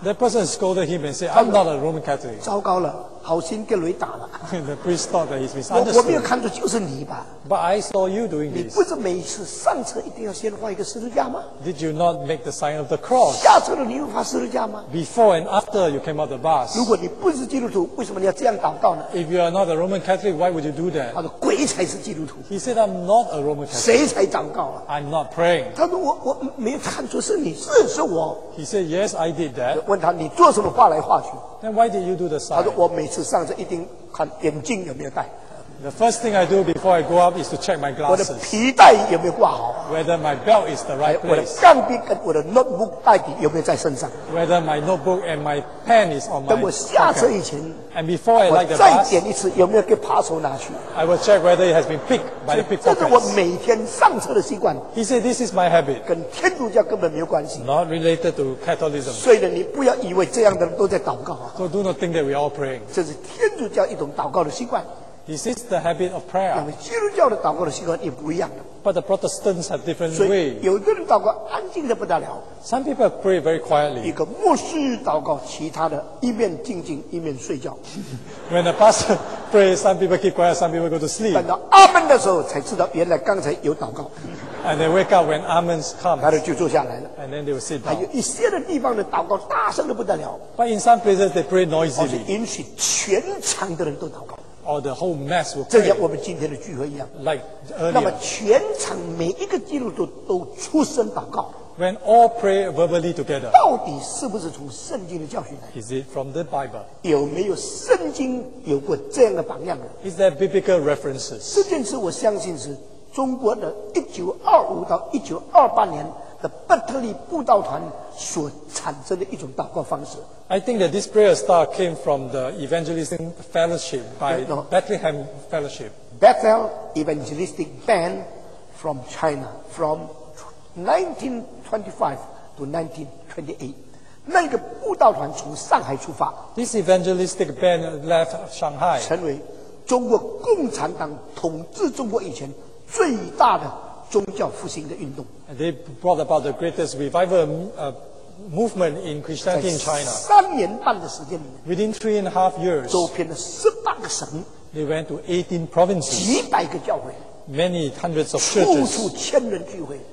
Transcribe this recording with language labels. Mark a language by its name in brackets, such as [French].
[English] That person scolded him and said, "I'm not a Roman Catholic." [Chinese] 糟糕了，好心给雷打了。 [English] The priest thought that he's misunderstood. [Chinese] 我没有看出就是你吧 [English] ？But I saw you doing this. [Chinese] 你不是每次上车一定要先画一个十字架吗 [English] ？Did you not make the sign of the cross? [Chinese] 下车了你又画十字架吗 [English] ？Before and after you came out the bus. [Chinese] 如果你不是基督徒，为什么你要这样祷告呢 [English] ？If you are not a Roman Catholic, why would you do that? [Chinese] 他说：“鬼才是基督徒。 [English] ”He said, "I'm not a Roman Catholic." [Chinese] 谁才祷告啊 [English] ？I'm not praying. [Chinese] 他说：“我没有看出是你。” 是我。 [English] He said, "Yes, I did that." [Chinese] 问他你做什么画来画去 [English] ？Then why did you do the sign? [Chinese] 他说我每次上车一定看眼镜有没有戴。 [English] The first thing I do before I go up is to check my glasses. [Chinese] 我的皮带有没有挂好 [English] ？Whether my belt is the right place. [Chinese] 我的橡皮跟我的 notebook 带底有没有在身上 [English] ？Whether my notebook and my pen is on my. [Chinese] 等我下车以前 [English] ，And before I like the bus, [Chinese] 再点一次有没有给扒手拿去 [English] ？I will check whether it has been picked by the pickpocket. [Chinese] 这是我每天上车的习惯。 [English] He said this is my habit. [Chinese] 跟天主教根本没有关系。 [English] Not related to Catholicism. [Chinese] 所以你不要以为这样的人都在祷告啊。 [English] So do not think that we are all praying. [Chinese] 这是天主教一种祷告的习惯。 [English] This is the habit of prayer. [Chinese] 因为基督教的祷告的习惯也不一样的。 [English] But the Protestants have different ways. [Chinese] 所以有的人祷告安静的不得了。 [English] Some people pray very quietly. [Chinese] 一个牧师祷告，其他的一面静静一面睡觉。 [English] When the pastor prays, some people keep quiet, some people go to sleep. [Chinese] 等到阿门的时候才知道，原来刚才有祷告。 [English] And they wake up when amen comes. [Chinese] 他们就坐下来了。 [English] And then they will sit down. [Chinese] 还有一些的地方的祷告大声的不得了。 [English] But in some places they pray noisily. [Chinese] 而且允许全场的人都祷告。 [English] Or the whole mass will pray, [Chinese] 就像我们今天的聚会一样。 [English] Like earlier, [Chinese] 那么全场每一个基督徒都出声祷告。 [English] When all pray verbally together, [Chinese] 到底是不是从圣经的教训来 [English] ？Is it from the Bible? [Chinese] 有没有圣经有过这样的榜样呢 [English] ？Is there biblical references? [Chinese] 这件事我相信是中国的1925到1928年。的伯特利布道团所产生的一种祷告方式。 [English] I think that this prayer style came from the Evangelism Fellowship by Bethlehem Fellowship. Bethel Evangelistic Band from China from 1925 to 1928. [Chinese] 那个布道团从上海出发。 [English] This Evangelistic Band left Shanghai. [Chinese] 成为中国共产党统治中国以前最大的。宗教复兴的运动 [English] They brought about the greatest revival movement in Christianity in China. [Chinese] 三年半的时间里面 [English] Within 3.5 years, [Chinese] 走遍了18个省 [English] They went to 18 provinces. [Chinese] 几百个教会 [English] Many hundreds of churches. [Chinese] 处处千人聚会